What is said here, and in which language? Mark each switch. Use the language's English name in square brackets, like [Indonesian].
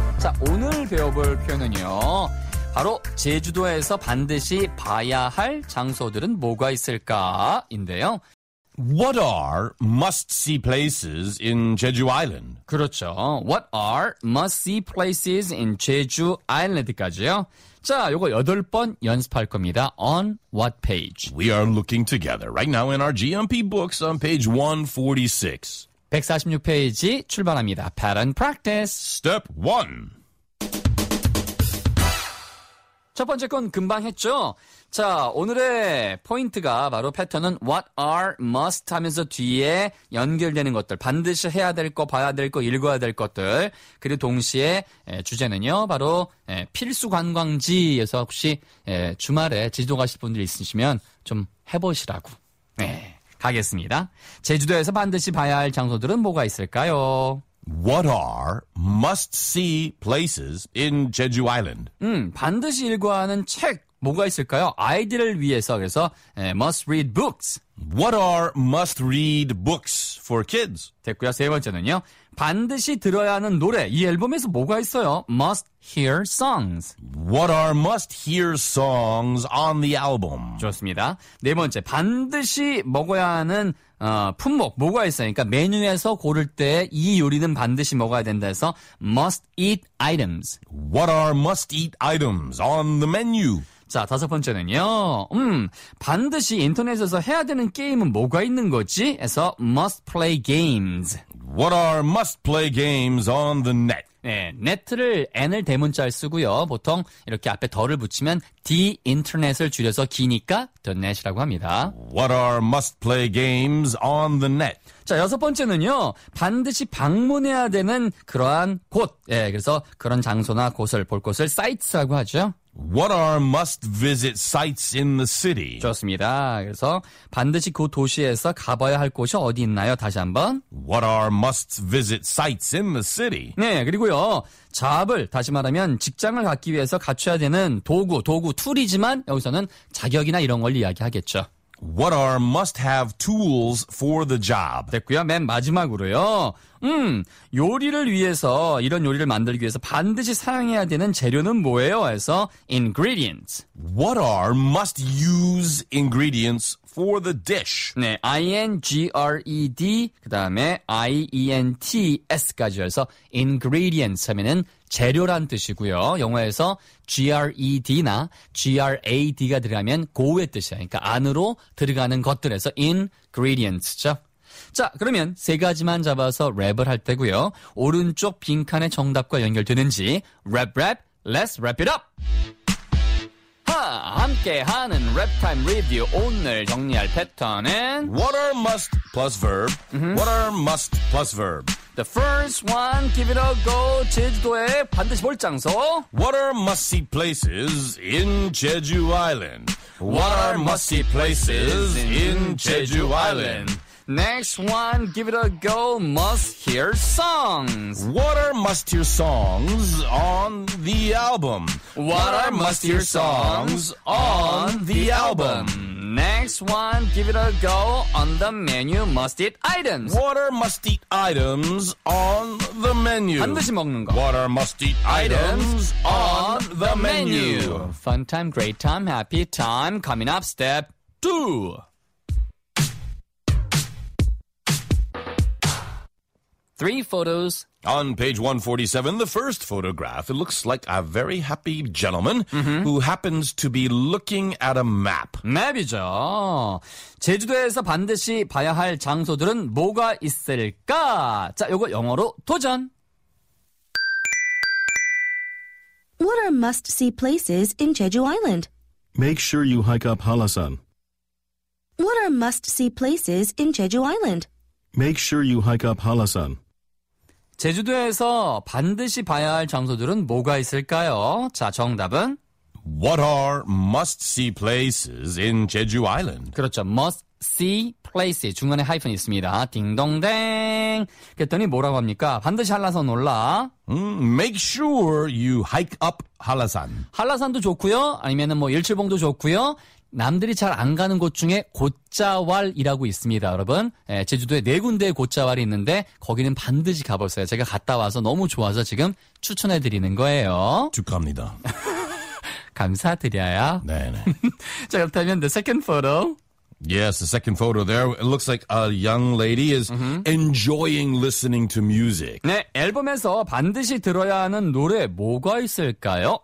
[Korean] 자, 오늘 배워볼 표현은요. 바로 제주도에서 반드시 봐야 할 장소들은 뭐가 있을까? 인데요. [English] What are must-see places in Jeju Island? [Korean] 그렇죠. [English] What are must-see places in Jeju Island [Korean] 까지요. 자, 요거 여덟 번 연습할 겁니다. [English] On what page? We are looking together right now in our GMP books on page 146. [Korean] 146페이지 출발합니다. [English] Pattern practice. Step 1. [Korean] 첫 번째 건 금방 했죠? 자, 오늘의 포인트가 바로 패턴은 [English] what are, must [Korean] 하면서 뒤에 연결되는 것들. 반드시 해야 될 거, 봐야 될 거, 읽어야 될 것들. 그리고 동시에 주제는요. 바로 필수 관광지에서 혹시 주말에 제주도 가실 분들 있으시면 좀 해보시라고. 네. 가겠습니다. 제주도에서 반드시 봐야 할 장소들은 뭐가 있을까요? [English] What are must-see places in Jeju Island? [Korean] 반드시 읽어야 하는 책 뭐가 있을까요? 아이들을 위해서 그래서 [English] must-read books. What are must-read books for kids? [Korean] 됐고요. 세 번째는요. 반드시 들어야 하는 노래, 이 앨범에서 뭐가 있어요? [English] Must-hear songs. What are must-hear songs on the album? [Korean] 좋습니다. 네 번째, 반드시 먹어야 하는 품목, 뭐가 있어요? 그러니까 메뉴에서 고를 때 이 요리는 반드시 먹어야 된다 해서 [English] must-eat items. What are must-eat items on the menu? [Korean] 자, 다섯 번째는요. 반드시 인터넷에서 해야 되는 게임은 뭐가 있는 거지? 해서 [English] must play games. What are must play games on the net? [Korean] 네, 네트를 N을 대문자를 쓰고요. 보통 이렇게 앞에 덜을 붙이면 [English] the internet [Korean] 을 줄여서 기니까 [English] the net [Korean] 이라고 합니다. [English] What are must play games on the net? [Korean] 자, 여섯 번째는요. 반드시 방문해야 되는 그러한 곳. 예, 네, 그래서 그런 장소나 곳을 볼 곳을 sites라고 하죠. [English] What are must-visit sites in the city? [Korean] 좋습니다. 그래서 반드시 그 도시에서 가봐야 할 곳이 어디 있나요? 다시 한번. [English] What are must-visit sites in the city? [Korean] 네, 그리고요. 잡을, 다시 말하면 직장을 갖기 위해서 갖춰야 되는 도구, 툴이지만 여기서는 자격이나 이런 걸 이야기하겠죠. [English] What are must-have tools for the job? [Korean] 됐고요. 맨 마지막으로요. 요리를 위해서, 이런 요리를 만들기 위해서 반드시 사용해야 되는 재료는 뭐예요? 해서 ingredients. [English] What are must-use ingredients for the dish? [Korean] 네, INGRED, 그 다음에 INTS까지 해서 ingredients 하면은 재료란 뜻이고요. 영어에서 GRED나 GRAD가 들어가면 고의 뜻이야. 그러니까 안으로 들어가는 것들에서 ingredients죠. 자, 그러면 세 가지만 잡아서 랩을 할 때고요. 오른쪽 빈칸의 정답과 연결되는지 랩, [English] let's wrap it up! [Korean] 함께하는 랩타임 리뷰 오늘 정리할 패턴은 [English] What are must plus verb? Mm-hmm. What are must plus verb? The first one, give it a go. [Korean] 제주도에 반드시 볼 장소. [English] What are must-see places in Jeju Island? What are must-see places in Jeju Island? Next one, give it a go. Must-hear songs. What are must-hear songs on the album? What are must-hear songs on the album? Next one, give it a go on the menu, must-eat items. What are must-eat items on the menu? [Korean] 반드시 먹는 거. [English] What are must-eat items on the menu? Fun time, great time, happy time. Coming up, step two. 3 photos. On page 147, the first photograph, it looks like a very happy gentleman mm-hmm. who happens to be looking at a map. [Korean] 맵이죠. 제주도에서 반드시 봐야 할 장소들은 뭐가 있을까? 자, 요거 영어로 도전. [English] What are must-see places in Jeju Island? Make sure you hike up Hallasan. What are must-see places in Jeju Island? Make sure you hike up Hallasan. [Korean] 제주도에서 반드시 봐야 할 장소들은 뭐가 있을까요? 자, 정답은 [English] What are must-see places in Jeju Island? [Korean] 그렇죠. [English] must-see places. [Korean] 중간에 하이픈 있습니다. 딩동댕. 그랬더니 뭐라고 합니까? 반드시 한라산 올라. [English] Make sure you hike up 한라산. [Korean] 한라산도 좋고요. 아니면 뭐 일출봉도 좋고요. 남들이 잘 안 가는 곳 중에 곶자왈이라고 있습니다, 여러분. 예, 제주도에 네 군데의 곶자왈이 있는데 거기는 반드시 가보세요. 제가 갔다 와서 너무 좋아서 지금 추천해드리는 거예요. 축하합니다. 감사드려요. 네네. 자, 그렇다면 [English] the second photo. Yes, the second photo there. It looks like a young lady is enjoying listening to music. [Korean] 네, 앨범에서 반드시 들어야 하는 노래 뭐가 있을까요?